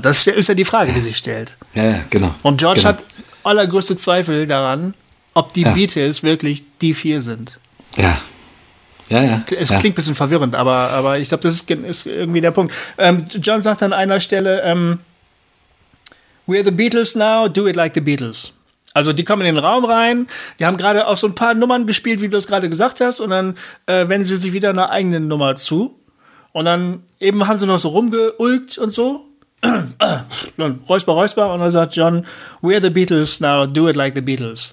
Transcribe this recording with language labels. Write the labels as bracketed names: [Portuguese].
[German] Das ist ja die Frage, die sich stellt. Ja, genau. Und George hat allergrößte Zweifel daran, ob die Beatles wirklich die vier sind. Ja. Ja, ja. Es klingt ein bisschen verwirrend, aber ich glaube, das ist irgendwie der Punkt. John sagt an einer Stelle, [English] We are the Beatles now, do it like the Beatles. [German] Also die kommen in den Raum rein, die haben gerade auch so ein paar Nummern gespielt, wie du das gerade gesagt hast, und dann wenden sie sich wieder einer eigenen Nummer zu. Und dann eben haben sie noch so rumgeulkt und so. Dann räusper, räusper, und dann sagt John, [English] we are the Beatles [German] now, do it like the Beatles.